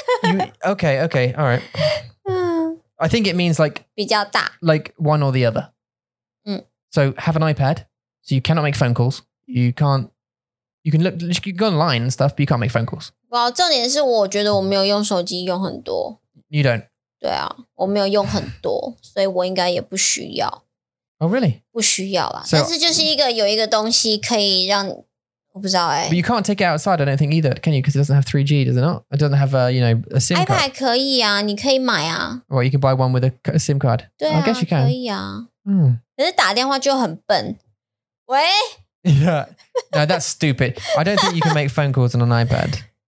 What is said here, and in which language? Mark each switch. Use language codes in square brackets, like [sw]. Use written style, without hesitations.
[en] You, okay, okay. All right. I think it means like... [zh] 比较大. [en] Like one or the other. So have an iPad, so you cannot make phone calls. You can't, you can look, you can go online and stuff, but you can't make phone calls. Well, [zh] 重点是我觉得我没有用手机用很多. [en] You don't? [zh] 对啊, 我没有用很多, 所以我应该也不需要. [en] Oh, really? [zh] 不需要啦, [en] so, [zh] 但是就是一个有一个东西可以让, 我不知道欸. [en] But you can't take it outside, I don't think either, can you? Because it doesn't have 3G, does it not? It doesn't have a, you know, a SIM card. [zh] iPad可以啊, 你可以买啊. [en] Well, you can buy one with a SIM card. [zh] 对啊, [en] I guess you can. [zh] 可以啊.可是打电话就很笨.喂? [en] Yeah. No, that's stupid. I don't think you can make phone calls on an iPad.